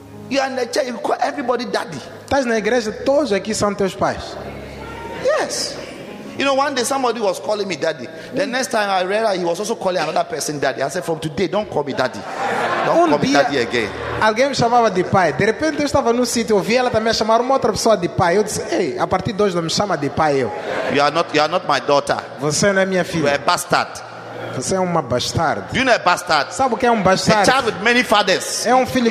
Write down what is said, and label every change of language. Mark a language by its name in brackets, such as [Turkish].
[English] You are in the church, you call everybody daddy. [Portuguese] Estás na igreja, todos aqui são teus pais. [English] Yes. You know, one day somebody was calling me daddy. The next time I read that he was also calling another person daddy. I said, from today, don't call me daddy. Don't call me daddy again. [Portuguese] Alguém me chamava de pai. De repente eu estava no sítio, ouvi ela também chamar uma outra pessoa de pai. Eu disse, ei, a partir de hoje não me chama de pai eu. [English] You are not my daughter. [Portuguese] Você não é minha filha. [English] You are a bastard. [Portuguese] Você é uma bastard. [English] You know a bastard. [Portuguese] Sabe o que é um bastard? [English] A child with many fathers. [Portuguese] É um filho